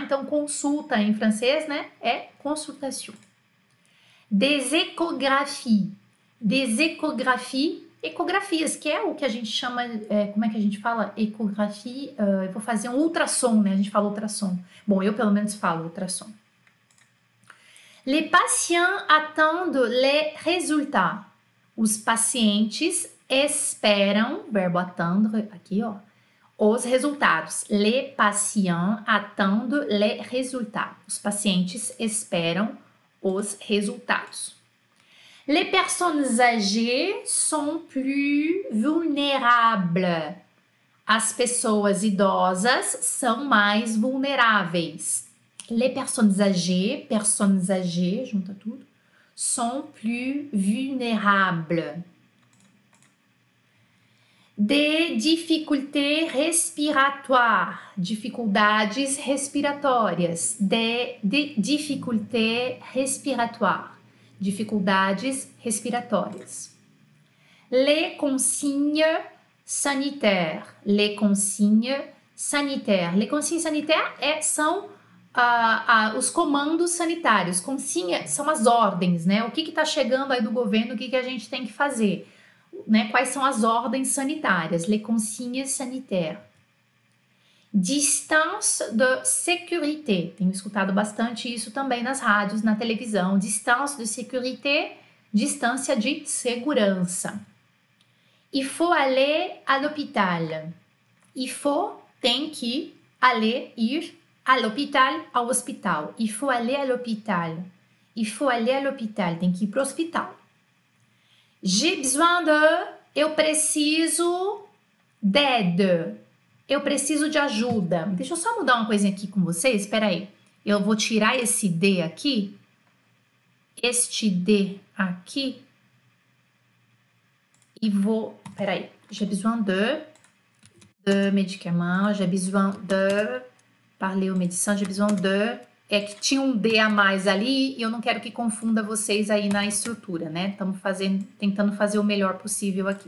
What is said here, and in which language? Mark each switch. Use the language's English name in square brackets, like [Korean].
[Portuguese] Então, consulta em francês, né? É consultation. Des échographies, ecografias, que é o que a gente chama, como é que a gente fala? Ecografia, eu vou fazer um ultrassom, né? A gente fala ultrassom. Bom, eu pelo menos falo ultrassom. [French] Les patients attendent les résultats. [Portuguese] Os pacientes esperam, verbo attendre, aqui, ó. Os resultados. [French] Les patients attendent les résultats. [Portuguese] Os pacientes esperam os resultados. [French] Les personnes âgées sont plus vulnérables. [Portuguese] As pessoas idosas são mais vulneráveis. [French] Les personnes âgées, [Portuguese] junta tudo, [French] sont plus vulnérables. De difficulté respiratoire, [Portuguese] dificuldades respiratórias. [French] De difficulté respiratoire, [Portuguese] dificuldades respiratórias. [French] Les consignes sanitaires. Les consignes sanitaires. Les consignes sanitaires [Portuguese] são os comandos sanitários. Consignes são as ordens, né? O que está chegando aí do governo, o que a gente tem que fazer. Né, quais são as ordens sanitárias, [French] les consignes sanitaires. Distance de sécurité, [Portuguese] tenho escutado bastante isso também nas rádios, na televisão, distance de sécurité, distância de segurança. [French] Il faut aller à l'hôpital, il faut, tem que aller, ir à l'hôpital, ao hospital, il faut aller à l'hôpital, il faut aller à l'hôpital, [Portuguese] tem que ir para o hospital. [French] J'ai besoin de, [Portuguese] eu preciso d'aide, eu preciso de ajuda. Deixa eu só mudar uma coisinha aqui com vocês, espera aí. Eu vou tirar esse D aqui, este D aqui, e vou, espera aí. [French] J'ai besoin de médicaments, j'ai besoin de, parler aux médecins, j'ai besoin de... [Portuguese] É que tinha um D a mais ali e eu não quero que confunda vocês aí na estrutura, né? Estamos fazendo, tentando fazer o melhor possível aqui.